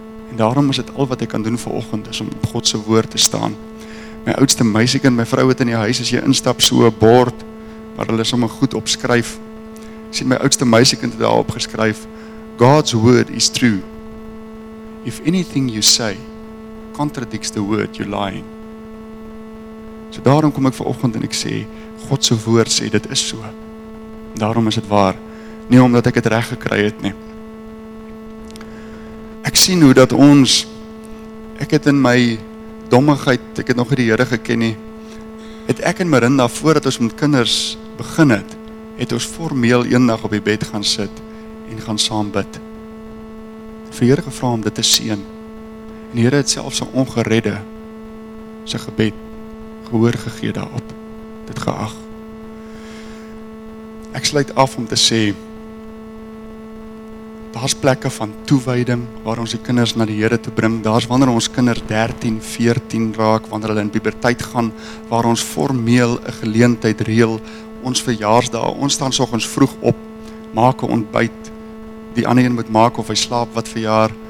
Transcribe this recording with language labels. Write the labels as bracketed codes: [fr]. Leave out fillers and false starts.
[af] En daarom is dit al wat ek kan doen vir oggend, is om op God se woord te staan. My oudste meisiekind, my vrou het in die huis, as jy instap, so 'n bord, waar hulle sommer goed opskryf. Ek sien my oudste meisiekind het daarop geskryf, [en] God's word is true. If anything you say contradicts the word, you're lying. [af] So daarom kom ek vanoggend en ek sê, God se woord sê, dit is so. Daarom is dit waar. Nie omdat ek het reg gekry het nie. Ek sien hoe dat ons, ek het in my dommigheid, ek het nog die Here geken nie, het ek en Marinda, voordat ons met kinders begin het, het ons formeel eendag op die bed gaan sit en gaan saam bid. Vir Here gevra om dit te seën. En die Here het selfs 'n ongeredde sy gebed gehoor gegee daarop. Dit geag. Ek sluit af om te sê, daar's plekke van toewyding waar ons die kinders na die Here te bring. Daar's wanneer ons kinders 13, 14 raak, wanneer hulle in puberteit gaan, waar ons formeel 'n geleentheid reël, ons verjaarsdae, ons staan soggens vroeg op, maak 'n ontbyt. Die ander een moet maak of hy slaap wat verjaar.